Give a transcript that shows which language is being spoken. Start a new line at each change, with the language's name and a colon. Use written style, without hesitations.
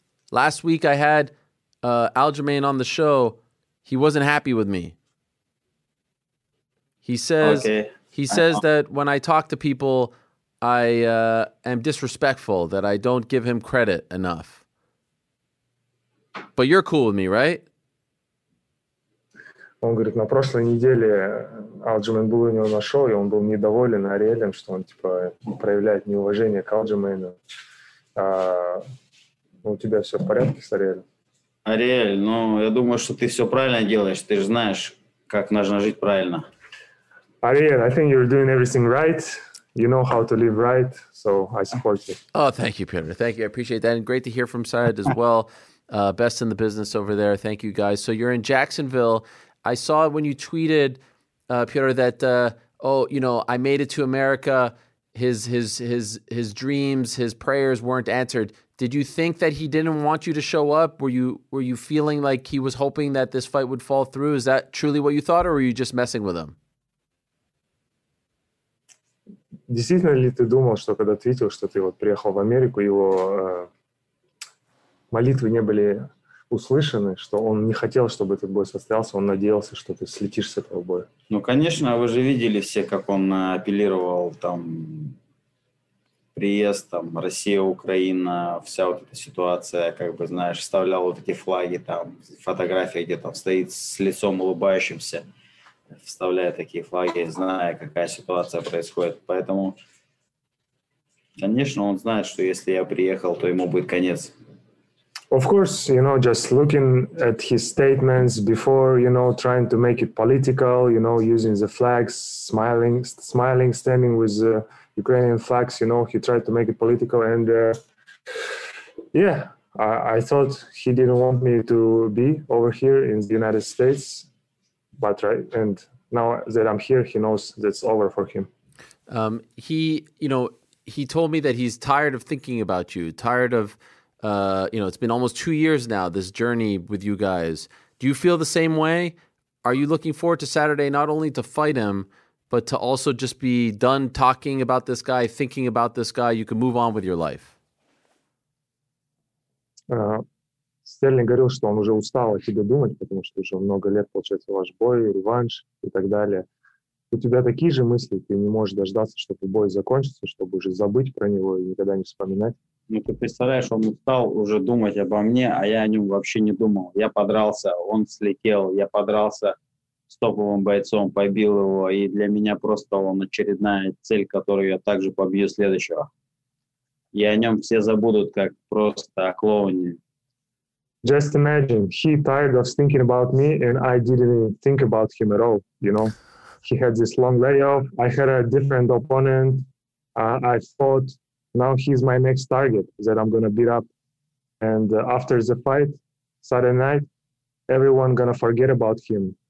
English: Last week I had Aljamain on the show. He wasn't happy with me. He says that when I talk to people, I am disrespectful, that I don't give him credit enough. But you're cool with me, right?
Russian: Он говорит, на прошлой неделе Алджимейн был у него на шоу, и он был недоволен Ариэлем, что он типа проявляет неуважение к Алджимейну. У тебя все в порядке с Ариэлем? Ариэль, ну, я думаю, что ты все правильно делаешь. Ты же знаешь, как нужно жить правильно.
English: Ариэль, I think you're doing everything right. You know how to live right, so I support you. Oh, thank you, Peter. Thank you. I appreciate that. And great to hear from Syed as well. Best in the business over there. Thank you, guys. So you're in Jacksonville. I saw when you tweeted, Piotr, that I made it to America. His dreams, his prayers weren't answered. Did you think that he didn't want you to show up? Were you feeling like he was hoping that this fight would fall through? Is that truly what you thought, or were you just messing with him?
Russian: Действительно ли ты думал, что когда твитил, что ты вот приехал в Америку, его молитвы не были услышаны, что он не хотел, чтобы этот бой состоялся, он надеялся, что ты слетишь с этого боя. Ну, конечно, вы же видели все, как он апеллировал там приезд, там Россия, Украина, вся вот эта ситуация, как бы, знаешь, вставлял вот эти флаги, там фотография, где там стоит с лицом улыбающимся, вставляя такие флаги, зная, какая ситуация происходит. Поэтому, конечно, он знает, что если я приехал, то ему будет конец.
English: Of course, you know, just looking at his statements before, you know, trying to make it political, you know, using the flags, smiling, standing with the Ukrainian flags, you know, he tried to make it political. And I thought he didn't want me to be over here in the United States. But right. And now that I'm here, he knows that's over for him. He told me that he's tired of thinking about you, tired of. It's been almost 2 years now, this journey with you guys. Do you feel the same way? Are you looking forward to Saturday, not only to fight him, but to also just be done talking about this guy, thinking about this guy? You can move on with your life.
Russian: Стерлинг говорил, что он уже устал о тебе думать, потому что уже много лет получается ваш бой, реванш и так далее. У тебя такие же мысли, ты не можешь дождаться, чтобы бой закончился, чтобы уже забыть про него и никогда не вспоминать. Ну, ты представляешь, он устал уже думать обо мне, а я о нем вообще не думал. Я подрался, он слетел, я подрался с топовым бойцом, побил его, и для меня просто он очередная цель, которую я также побью следующего. И о нем все забудут, как просто о клоуне.
English: Just imagine, he tired of thinking about me, and I didn't think about him at all, you know. He had this long layoff, I had a different opponent, I thought... Now he's my next target that I'm going to beat up. And after the fight, Saturday night, everyone going to forget about him.